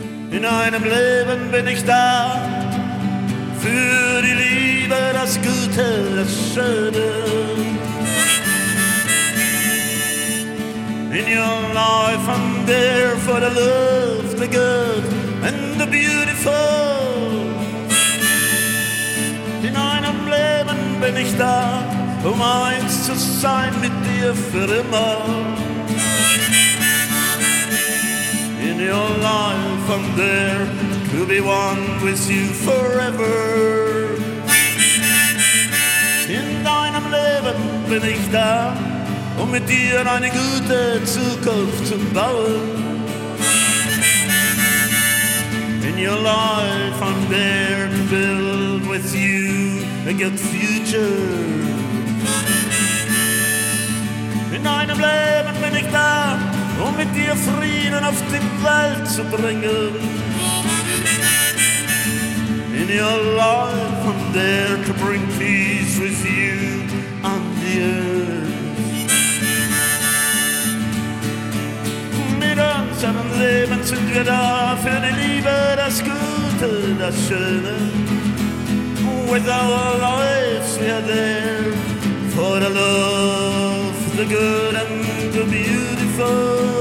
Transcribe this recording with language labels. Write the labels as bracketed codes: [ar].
[de] In einem Leben bin ich da, für die Liebe, das Gute, das Schöne. [en] In your life I'm there for the love, the good and the beautiful. [de] In einem Leben bin ich da, um eins zu sein mit dir für immer. [en] In your life I'm there to be one with you forever. [de] In deinem Leben bin ich da, um mit dir eine gute Zukunft zu bauen. [en] In your life I'm there to build with you a good future. [de] In deinem Leben bin ich da, um mit dir Frieden auf die Welt zu bringen. [en] In your life I'm there to bring peace with you on the earth. [de] Mit unserem Leben sind wir da, für die Liebe, das Gute, das Schöne. [en] With our lives we are there for the love, the good and the beautiful.